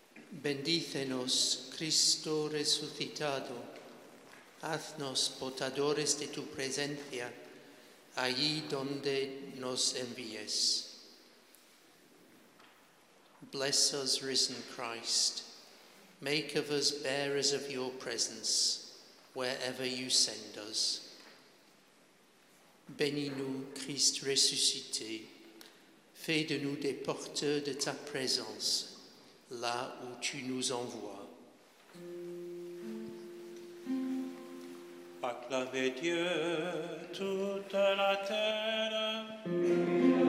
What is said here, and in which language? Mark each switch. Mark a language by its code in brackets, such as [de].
[es] Bendícenos, Cristo resucitado. Haznos portadores de tu presencia allí donde nos envíes. [en] Bless us, risen Christ. Make of us bearers of your presence wherever you send us. [fr] Bénis-nous, Christ ressuscité. Fais de nous des porteurs de ta présence là où tu nous envoies. Acclamez Dieu toute la terre.